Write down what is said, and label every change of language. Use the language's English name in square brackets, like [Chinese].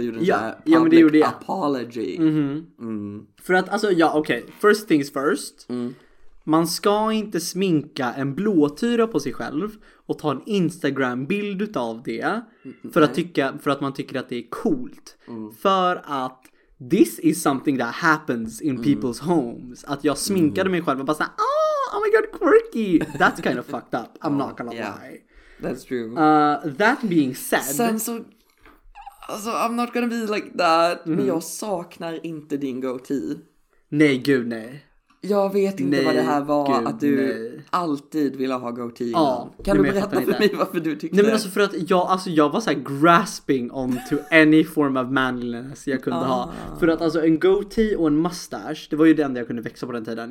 [Swedish] Gjorde en public men det gjorde jag. Apology. Mm-hmm. Mm. För att, alltså, ja, okej. Okay. [English] First things first. Mm. [Swedish] Man ska inte sminka en blå tira på sig själv och ta en Instagram-bild av det för att man tycker att det är coolt. Mm. För att [English] this is something that happens in people's homes. [Swedish] Att jag sminkade mig själv och bara såhär, [English] oh my god, quirky. That's kind of fucked up. I'm not gonna lie. That's true. That being said. [Swedish] Sen så, alltså, [English] I'm not gonna be like that. [Swedish] Mm. Men jag saknar inte din goatee. Nej, gud nej. Jag vet inte nej, vad det här var. Gud, att du nej. Alltid ville ha goatee. Ja, kan nej, du berätta för mig varför du tyckte det? Nej, men alltså för att jag var så här [English] grasping on to any form of manliness [Swedish] jag kunde ha. För att alltså en goatee och en mustache, det var ju det enda jag kunde växa på den tiden.